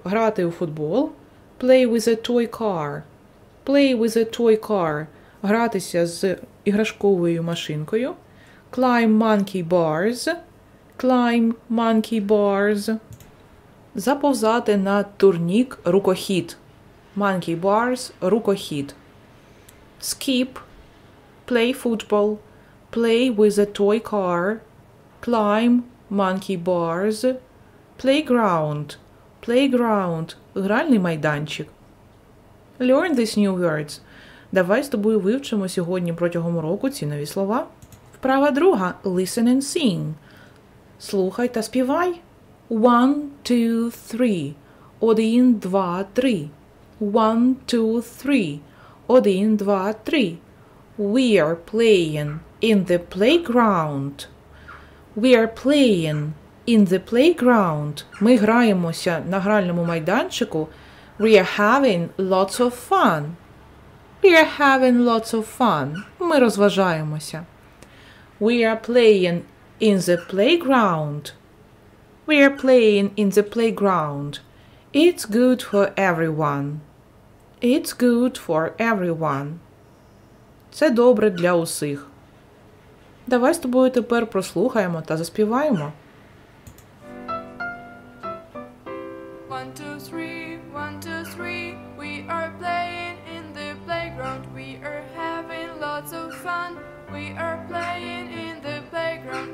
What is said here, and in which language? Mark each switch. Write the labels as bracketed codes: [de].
[uk] Грати у футбол. [en] Play with a toy car. Play with a toy car. [uk] Гратися з іграшковою машинкою. [en] Climb monkey bars. Climb monkey bars. [uk] Заповзати на турнік рукохід. [en] Monkey bars, рукохід. Skip, play football, play with a toy car, climb, monkey bars, playground, playground, гральний майданчик. Learn these new words. [uk] Давай з тобою вивчимо сьогодні протягом уроку ці нові слова. Вправа друга. [en] Listen and sing. [uk] Слухай та співай. [en] One, two, three. [uk] Один, два, три. [en] One, two, three. [uk] Один, два, три. [en] We are playing in the playground. We are playing in the playground. [uk] Ми граємося на гральному майданчику. [en] We are having lots of fun. We are having lots of fun. [uk] Ми розважаємося. [en] We are playing in the playground. We are playing in the playground. It's good for everyone. It's good for everyone. [uk] Це добре для усіх. Давай з тобою тепер прослухаємо та заспіваємо. [en] One, two, three, one, two, three. We are playing in the playground. We are having lots of fun. We are playing in the playground.